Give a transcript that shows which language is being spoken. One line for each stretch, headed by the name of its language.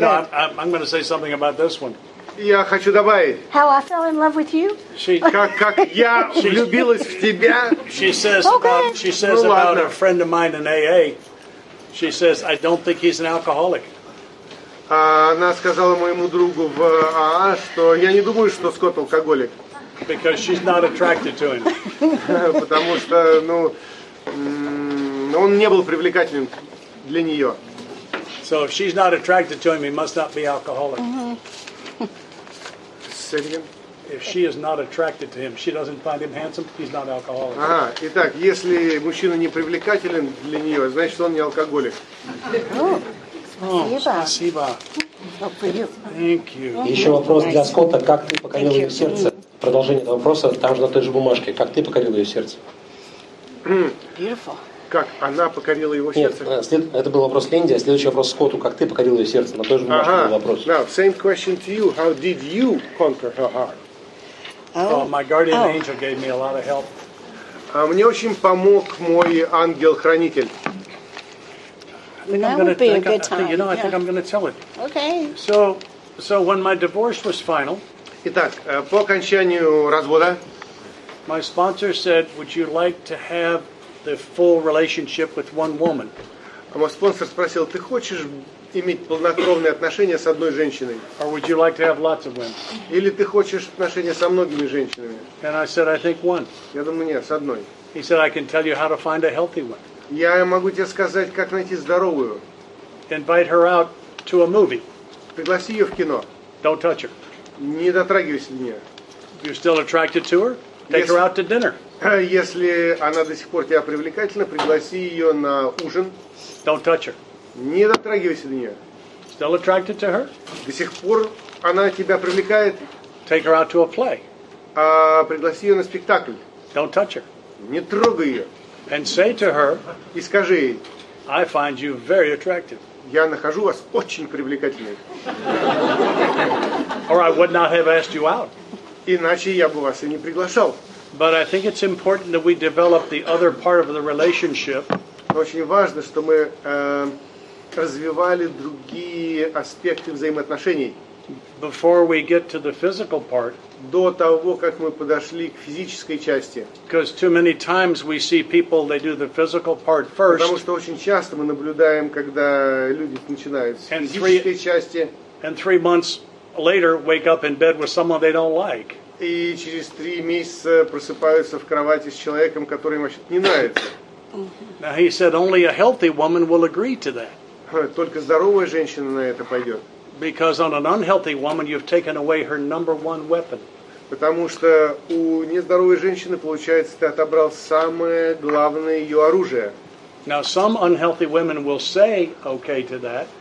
English: No, I'm going to say something about this one.
Russian: Я хочу добавить.
English: How I fell in love with you?
Russian: Как я влюбилась в тебя?
English: She says about, she says about a friend of mine in AA. She says, I don't think he's an alcoholic.
Russian: Она сказала моему другу в АА, что я не думаю, что Скотт алкоголик.
English: Because she's not attracted to him.
Russian: Потому что, ну, он не был привлекательным для нее.
English: So if she's not attracted to him, he must not be alcoholic. If she is not attracted to him, she doesn't find him handsome, he's not alcoholic.
Russian: Ага, итак, если мужчина не привлекателен для нее, значит, он не алкоголик. Спасибо.
English: Thank you.
Russian: Еще вопрос для Скотта. Как ты покорил ее сердце? Продолжение этого вопроса там же на той же бумажке. Как ты покорил ее сердце?
English: Beautiful.
Russian: Как она покорила его сердце? Нет, это был вопрос Линде, а следующий вопрос Скотту. Как ты покорил ее сердце? На той же бумажке был вопрос.
English: Now, same question to you. How did you conquer her heart? My guardian angel gave me a lot of help.
Russian: Мне очень помог мой ангел-хранитель.
English: I think I'm going to tell it. Okay. So when my divorce was final,
Russian: Итак, по окончанию развода,
English: my sponsor said, "Would you like to have the full relationship with one woman?"
Russian: Мой спонсор спросил, ты хочешь иметь полнокровные отношения с одной женщиной?
English: Or would you like to have lots of women?
Russian: Или ты хочешь отношения со многими женщинами?
English: And I said, I think one.
Russian: Я думаю, нет, с одной.
English: He said, I can tell you how to find a healthy one.
Russian: Я могу тебе сказать, как найти здоровую.
English: Invite her out to a movie.
Russian: Пригласи ее в кино.
English: Don't touch her.
Russian: Не дотрагивайся до нее.
English: You're still attracted to her? Take her out to dinner.
Russian: Если она до сих пор тебя привлекательна, пригласи ее на ужин.
English: Don't touch her.
Russian: Не дотрагивайся до нее.
English: Still attracted to her?
Russian: До сих пор она тебя привлекает.
English: Take her out to a play.
Russian: Пригласи ее на спектакль.
English: Don't touch her.
Russian: Не трогай ее.
English: And say to her,
Russian: и скажи ей,
English: I find you very attractive.
Russian: Я нахожу вас очень привлекательной.
English: Or I would not have asked you out.
Russian: Иначе я бы вас и не приглашал.
English: But I think it's important that we develop the other part of the relationship.
Russian: Очень важно, что мы развивали другие аспекты взаимоотношений.
English: Before we get to the physical part.
Russian: До того, как мы подошли к физической части.
English: Because too many times we see people, they do the physical part first.
Russian: Потому что очень часто мы наблюдаем, когда люди начинают с физической части.
English: And 3 months later wake up in bed with someone they don't like.
Russian: И через 3 месяца просыпаются в кровати с человеком, который им вообще не нравится.
English: Now he said only a healthy woman will agree to that.
Russian: Только здоровая женщина на это пойдет.
English: Because on an unhealthy woman you've taken away her number one weapon.
Russian: Потому что у нездоровой женщины, получается, ты отобрал самое главное ее оружие.
English: Now some unhealthy women will say okay to that.